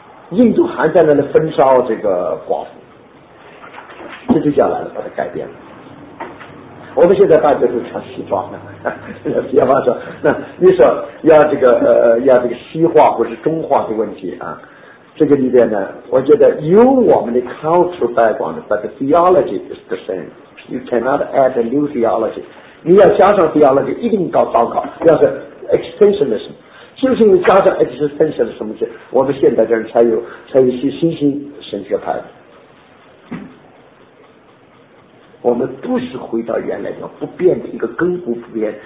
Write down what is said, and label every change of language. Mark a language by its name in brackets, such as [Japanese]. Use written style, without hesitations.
[Chinese] 印度还在那里焚烧这个寡妇，基督教来了把它改变了。我们现在大家都穿西装了，比方说，那你说要这个要这个西化或是中化的问题啊？这个里边呢，我觉得有我们的 cultural background， [English] but the theology is the same. You cannot add a new theology. [Chinese] 你要加上 theology， 一定搞糟糕。要是 existentialism， 就是因为加上 existentialism， 我们现在这儿才有些新兴神学派。我们不是回到原来的不变的一个根骨不变。